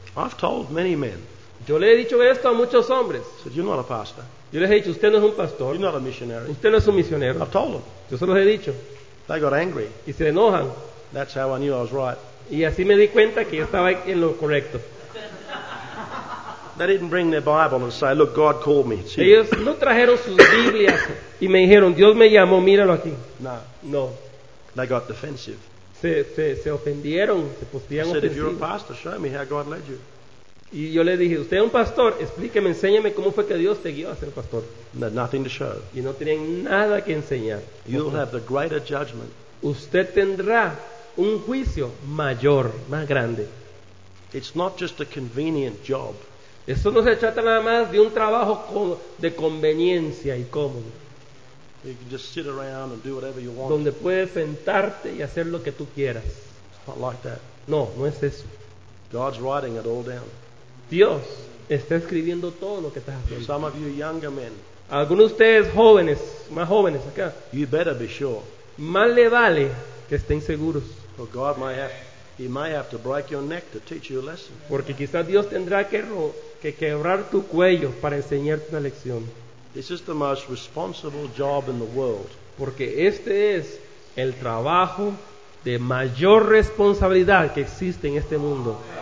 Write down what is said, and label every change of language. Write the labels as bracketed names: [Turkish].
[English] I've told many men, [Spanish] yo le he dicho esto a muchos hombres. [English] So you're not a pastor. [Spanish] Yo les he dicho, usted no es un pastor. [English] You're not a missionary. [Spanish] Usted no es un misionero. [English] I've told them. [Spanish] Yo se los he dicho. [English] They got angry. [Spanish] Y se enojan. [English] That's how I knew I was right. [Spanish] Y así me di cuenta que yo estaba en lo correcto. [English] They didn't bring their Bible and say, "Look, God called me." [Spanish] Ellos no trajeron sus Biblias y me dijeron, "Dios me llamó, míralo aquí." [English] No. [Spanish] No. [English] They got defensive. [Spanish] Se ofendieron, se pusieron ofensivos. [English] If you're a pastor, show me how God led you. [Spanish] Y yo le dije, "Usted es un pastor, explíqueme, enséñeme cómo fue que Dios te guió a ser pastor." [English] No, nothing to show. [Spanish] Y no tenían nada que enseñar. [English] You'll have the greater judgment. [Spanish] Usted tendrá un juicio mayor, más grande. [English] It's not just a convenient job. [Spanish] Eso no se trata nada más de un trabajo de conveniencia y cómodo. [English] You can just sit around and do whatever you want. [Spanish] Donde puedes sentarte y hacer lo que tú quieras. [English] It's not like that. [Spanish] No, no es eso. [English] God's writing it all down. [Spanish] Dios está escribiendo todo lo que estás haciendo. [English] Some of you younger men, [Spanish] algunos de ustedes jóvenes, más jóvenes acá, [English] you better be sure. [Spanish] Más le vale que estén seguros. [English] Or God might have, he might have to break your neck to teach you a lesson. [Spanish] Porque quizás Dios tendrá que quebrar tu cuello para enseñarte una lección. [English] This is the most responsible job in the world. [Spanish] Porque este es el trabajo de mayor responsabilidad que existe en este mundo.